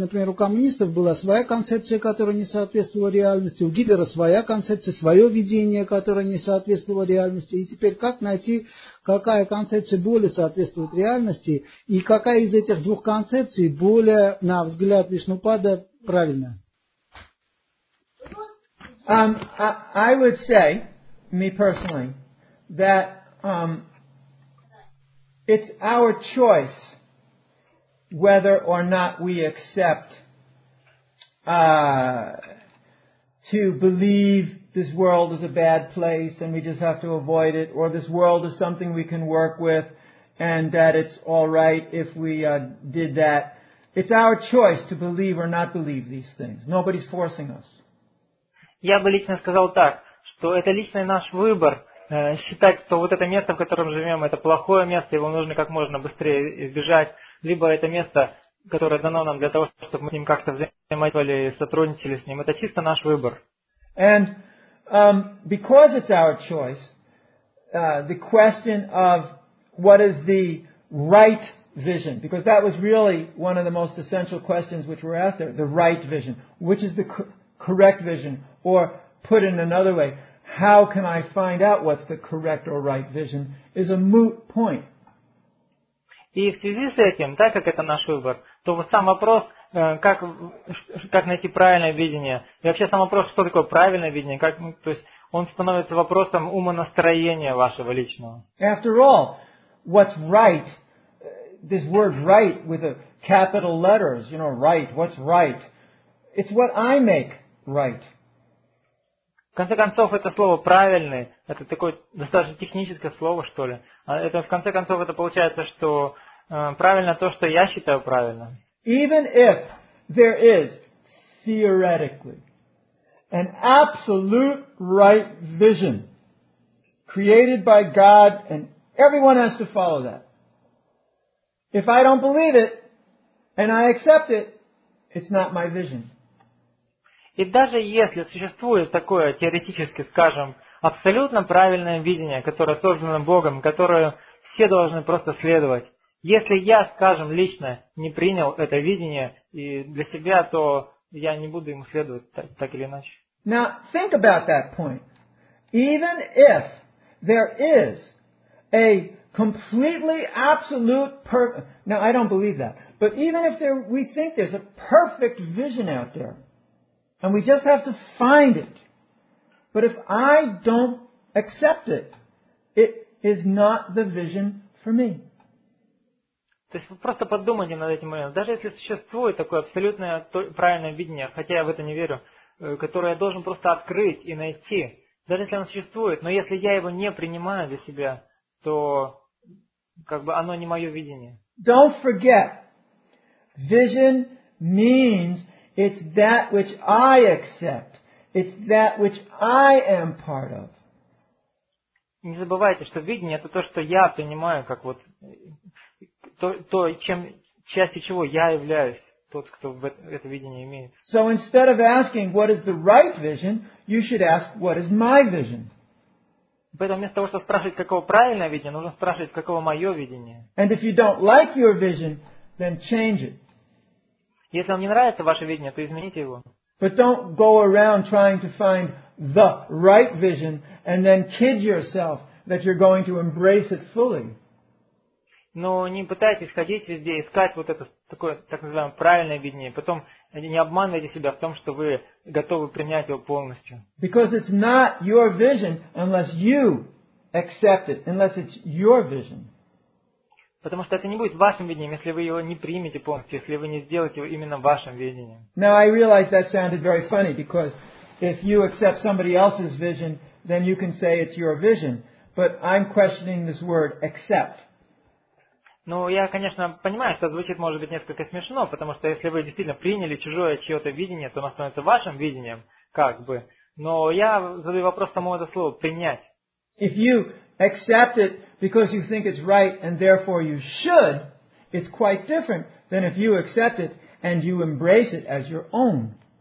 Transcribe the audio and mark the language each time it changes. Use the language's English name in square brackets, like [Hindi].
[Russian] Например, у коммунистов была своя концепция, которая не соответствовала реальности, у Гитлера своя концепция, свое видение, которое не соответствовало реальности. И теперь как найти, какая концепция более соответствует реальности, и какая из этих двух концепций более, на взгляд Вишнупада, правильная? [English] I would say, me personally, that it's our choice whether or not we accept to believe this world is a bad place and we just have to avoid it, or this world is something we can work with and that it's all right if we did that. It's our choice to believe or not believe these things. Nobody's forcing us. [Russian] Я бы лично сказал так, что это личный наш выбор. Считать, что вот это место, в котором живем, это плохое место, его нужно как можно быстрее избежать, либо это место, которое дано нам для того, чтобы мы с ним как-то взаимодействовали, сотрудничали с ним, это чисто наш выбор. [English] And because it's our choice, the question of what is the right vision, because that was really one of the most essential questions which were asked there, the right vision, which is the correct vision, or put in another way, how can I find out what's the correct or right vision, is a moot point. [Russian] И в связи с этим, так как это наш выбор, то вот сам вопрос, как найти правильное видение, и вообще сам вопрос, что такое правильное видение, как, то есть он становится вопросом умонастроения вашего личного. [English] After all, what's right, this word right with a capital letters, you know, right, what's right, it's what I make right. [Russian] В конце концов, это слово «правильный» – это такое достаточно техническое слово, что ли. Это, в конце концов, это получается, что правильно то, что я считаю правильным. [English] Even if there is, theoretically, an absolute right vision created by God, and everyone has to follow that. If I don't believe it, and I accept it, it's not my vision. [Russian] И даже если существует такое, теоретически скажем, абсолютно правильное видение, которое создано Богом, которое все должны просто следовать, если я, скажем, лично не принял это видение и для себя, то я не буду ему следовать так или иначе. [English] Now, think about that point. Even if there is a completely absolute perfect... Now, I don't believe that. But even if there, we think there's a perfect vision out there, and we just have to find it. But if I don't accept it, it is not the vision for me. [Russian] То есть вы просто подумайте над этим моментом. Даже если существует такое абсолютное правильное видение, хотя я в это не верю, которое я должен просто открыть и найти, даже если оно существует, но если я его не принимаю для себя, то как бы оно не мое видение. [English] Don't forget, vision means it's that which I accept. It's that which I am part of. [Russian] Не забывайте, что видение это то, что я принимаю, как вот то, чем частью чего я являюсь. Тот, кто это видение имеет. [English] So instead of asking what is the right vision, you should ask what is my vision. [Russian] Поэтому вместо того, чтобы спрашивать, каково правильное видение, нужно спрашивать, каково мое видение. [English] And if you don't like your vision, then change it. [Russian] Если вам не нравится ваше видение, то измените его. [English] But don't go around trying to find the right vision and then kid yourself that you're going to embrace it fully. [Russian] Но не пытайтесь ходить везде, искать вот это такое, так называемое, правильное видение. Потом не обманывайте себя в том, что вы готовы принять его полностью. [English] Because it's not your vision unless you accept it, unless it's your vision. [Russian] Потому что это не будет вашим видением, если вы его не примете полностью, если вы не сделаете его именно вашим видением. [English] Now I realize that sounded very funny, because if you accept somebody else's vision, then you can say it's your vision. But I'm questioning this word accept. [Russian] Ну, я, конечно, понимаю, что звучит, может быть, несколько смешно, потому что если вы действительно приняли чужое чье-то видение, то оно становится вашим видением, как бы. Но я задаю вопрос тому это слово «принять». [English] If you accept it because you think it's right and therefore you should, it's quite different than if you accept it and you embrace it as your own.